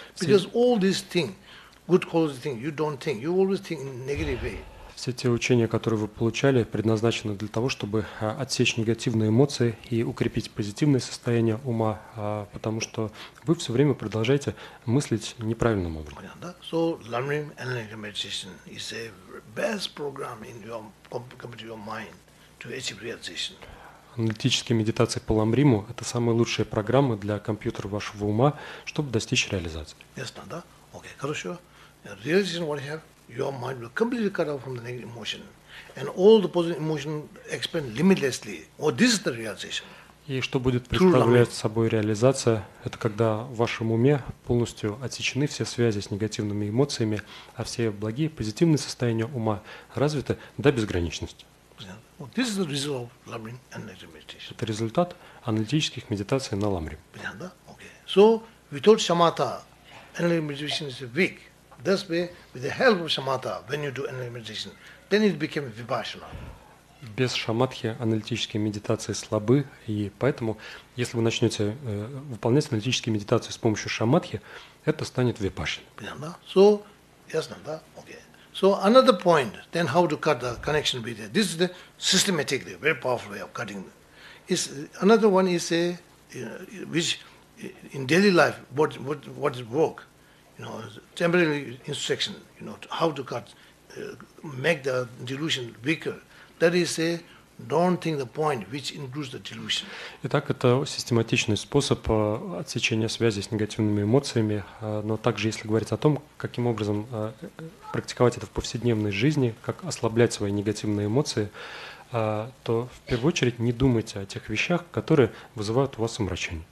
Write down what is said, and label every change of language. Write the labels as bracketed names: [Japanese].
[English] Because all these things, good quality thing, you don't think, you always think in negative way. [Russian] Все те учения, которые вы получали, предназначены для того, чтобы отсечь негативные эмоции и укрепить позитивное состояние ума, потому что вы все время продолжаете мыслить неправильным образом. Понятно, да? [English] So, learning analytical meditation is the best program in your computer, your mind, to achieve realization. [Russian] Аналитическая медитация по ламриму – это самая лучшая программа для компьютера вашего ума, чтобы достичь реализации. Ясно, да? Окей, хорошо. [English] Realization what you have? Your mind will completely cut off from the negative emotion, and all the positive emotion expand limitlessly. Or this is the realization. [Russian] И что будет представлять собой реализация? Это когда в вашем уме полностью отсечены все связи с негативными эмоциями, а все благие позитивные состояния ума развиты до безграничности. [English] Well, this is the result of Lamrim and analytical meditation. [Russian] Это результат аналитических медитаций на ламрим. Понятно, да? [English] Okay. So without shamatha, analytical meditation is weak. This way, with the help of shamatha, when you do analytical meditation, then it became vipassana. [Russian] Без шамадхи аналитические медитации слабы, и поэтому, если вы начнете выполнять аналитические медитации с помощью шамадхи, это станет випассана. Понятно, да? So, ясно, да? Okay. [English] So another point, then how to cut the connection with it? This is the systematically very powerful way of cutting. Is another one is a which in daily life what is work? You know, temporary instruction, you know, how to cut, make the delusion weaker. That is a don't think the point which includes the delusion. [Russian] Итак, это систематичный способ отсечения связи с негативными эмоциями, но также, если говорить о том, каким образом практиковать это в повседневной жизни, как ослаблять свои негативные эмоции, то в первую очередь не думайте о тех вещах, которые вызывают у вас омрачение.